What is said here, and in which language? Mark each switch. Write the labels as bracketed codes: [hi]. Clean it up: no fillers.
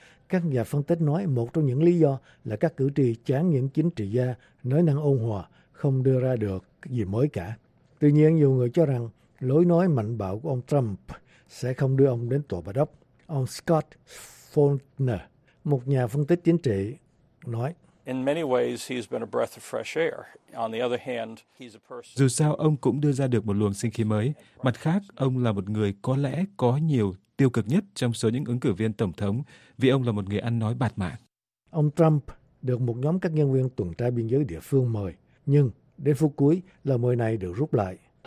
[vi] Các nhà phân tích nói một trong những lý do là các cử tri chán những chính trị gia nói năng ôn hòa, không đưa ra được gì mới cả. Tuy nhiên, nhiều người cho rằng lối nói mạnh bạo của ông Trump sẽ không đưa ông đến tòa Bạch Ốc. Ông Scott Faulkner, một nhà phân tích chính trị, nói: [en] In many ways, he's been a breath of fresh air. On the other hand, he's a person. [vi] Dù sao ông cũng đưa ra được một luồng sinh khí mới. Mặt khác, ông là một người có lẽ có nhiều tiêu cực nhất trong số những ứng cử viên tổng thống, vì ông là một người ăn nói bạt mạng. Ông Trump được một nhóm các nhân viên tuần tra biên giới địa phương mời, nhưng đến phút cuối, lời mời này được rút lại.